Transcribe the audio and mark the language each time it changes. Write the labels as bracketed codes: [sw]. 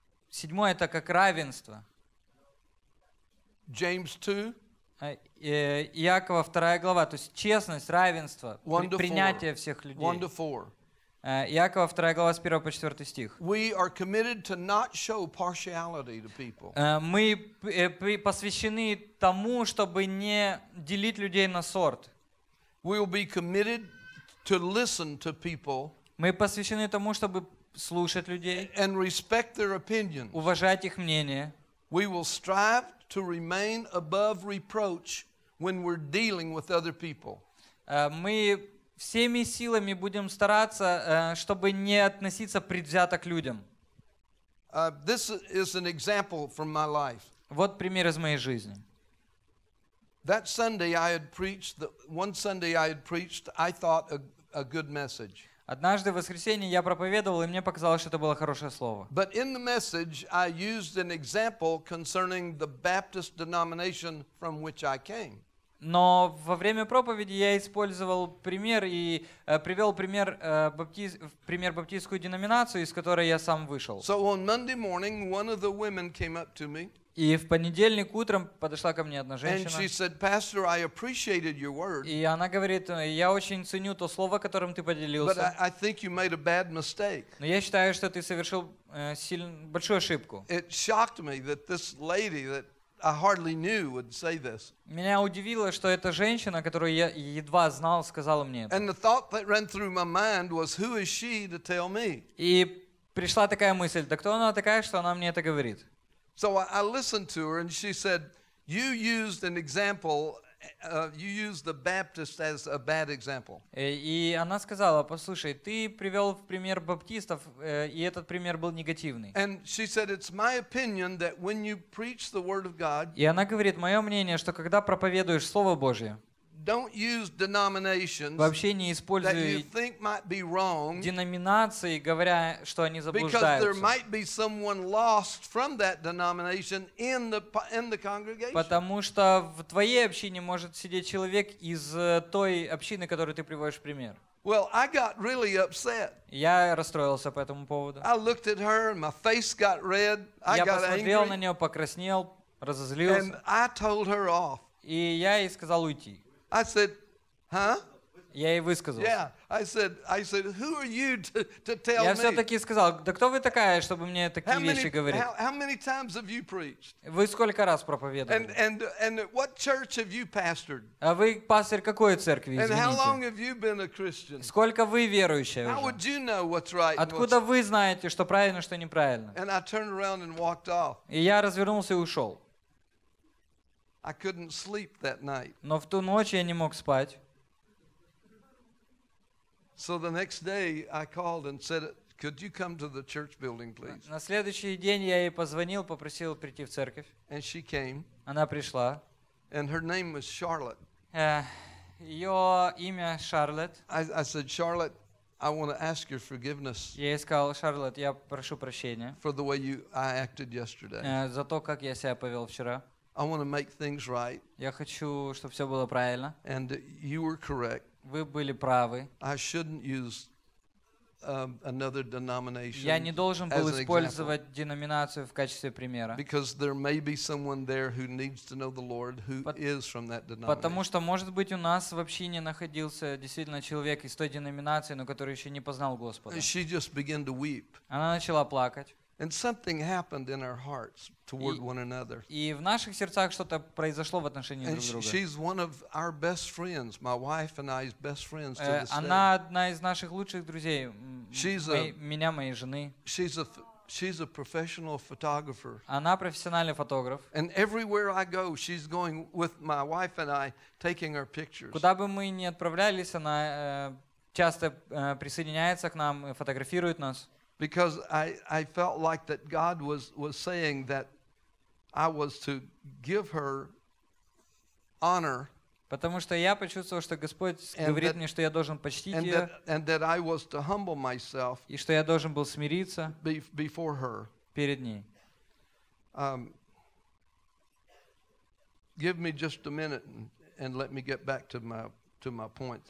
[ru] Седьмое — это как равенство. [en] James 2. [ru] Иакова 2 глава. То есть честность, равенство, принятие всех людей. [en] 1 to 4. [ru] Иакова 2 глава с 1 по 4 стих. [en] We are committed to not show partiality to people. [ru] Мы посвящены тому, чтобы не делить людей на сорт. [en] We will be committed to listen to people. [ru] Мы посвящены тому, чтобы слушать людей, [en] and respect their opinions. [ru] Уважать их мнение. [en] We will strive to remain above reproach when we're dealing with other people. [ru] Мы всеми силами будем стараться, чтобы не относиться предвзято к людям. [en] This is an example from my life. [ru] Вот пример из моей жизни. [en] That Sunday I had preached, I thought a good message. [ru] Однажды в воскресенье я проповедовал, и мне показалось, что это было хорошее слово. [en] But in the message I used an example concerning the Baptist denomination from which I came. [ru] Но во время проповеди я использовал пример и привел пример баптистскую деноминацию, из которой я сам вышел. [en] So on Monday morning, one of the women came up to me. [ru] И в понедельник утром подошла ко мне одна женщина. [en] Said, Pastor, I appreciated your word. [ru] И она говорит, я очень ценю то слово, которым ты поделился. [en] But I think you made a bad mistake. [ru] Но я считаю, что ты совершил большую ошибку. [en] It shocked me that this lady that I hardly knew would say this. [ru] Меня удивило, что эта женщина, которую я едва знал, сказала мне это. [en] And the thought that ran through my mind was, who is she to tell me? [ru] И пришла такая мысль, да кто она такая, что она мне это говорит? [en] So I listened to her, and she said, "You used an example. You used the Baptist as a bad example." [ru] И она сказала, послушай, ты привел в пример баптистов, и этот пример был негативный. [en] And she said, "It's my opinion that when you preach the word of God." [ru] И она говорит, мое мнение, что когда проповедуешь слово Божье. [en] Don't use denominations that you think might be wrong. [ru] Деноминации, говоря, что они заблуждаются. [en] Because there might be someone lost from that denomination in the congregation. [ru] Потому что в твоей общине может сидеть человек из той общины, которую ты приводишь в пример. [en] Well, I got really upset. [ru] Я расстроился по этому поводу. [en] I looked at her, and my face got red. I got angry. [ru] Я посмотрел на нее, покраснел, разозлился. [en] And I told her off. [ru] И я ей сказал уйти. [en] I said, huh? [ru] Я ей высказал. [en] Yeah, I said, who are you to tell me? [ru] Я все-таки сказал, да кто вы такая, чтобы мне такие вещи говорить? [en] How many times have you preached? [ru] Вы сколько раз проповедовали? [en] And what church have you pastored? [ru] А вы пастор какой церкви? [en] And how long have you been a Christian? [ru] Сколько вы верующие? [en] How would you know what's right? [ru] Откуда вы знаете, что правильно, что неправильно? [en] And I turned around and walked off. [ru] И я развернулся и ушел. [en] I couldn't sleep that night. [ru] Но в ту ночь я не мог спать. [en] So the next day I called and said, "Could you come to the church building, please?" [ru] На следующий день я ей позвонил, попросил прийти в церковь. [en] And she came. [ru] Она пришла. [en] And her name was Charlotte. [ru] Ее имя Charlotte. [en] I said, "Charlotte, I want to ask your forgiveness." [ru] Я ей сказал, Charlotte, я прошу прощения. [en] For the way I acted yesterday. [ru] За то, как я себя повел вчера. [en] I want to make things right. [ru] Я хочу, чтобы все было правильно. [en] And you were correct. [ru] Вы были правы. [en] I shouldn't use another denomination. [ru] Я не должен был использовать деноминацию в качестве примера. [en] Because there may be someone there who needs to know the Lord who is from that denomination. [ru] Потому что может быть у нас в общине находился действительно человек из той деноминации, но который еще не познал Господа. [en] She just began to weep. [ru] Она начала плакать. [en] And something happened in our hearts toward one another. [ru] И в наших сердцах что-то произошло в отношении друг друга. [en] She's one of our best friends, my wife and I's best friends to this day. [ru] Она одна из наших лучших друзей. Меня, моей жены. [en] She's a professional photographer. [ru] Она профессиональный фотограф. [en] And everywhere I go, she's going with my wife and I, taking our pictures. [ru] Куда бы мы ни отправлялись, она часто присоединяется к нам, фотографирует нас. [en] Because I felt like that God was saying that I was to give her honor. [ru] Потому что я почувствовал, что Господь говорит мне, что я должен почтить ее. [en] And that I was to humble myself. [ru] И что я должен был смириться. [en] Before her. [ru] Перед ней. [en] Give me just a minute and let me get back to my points.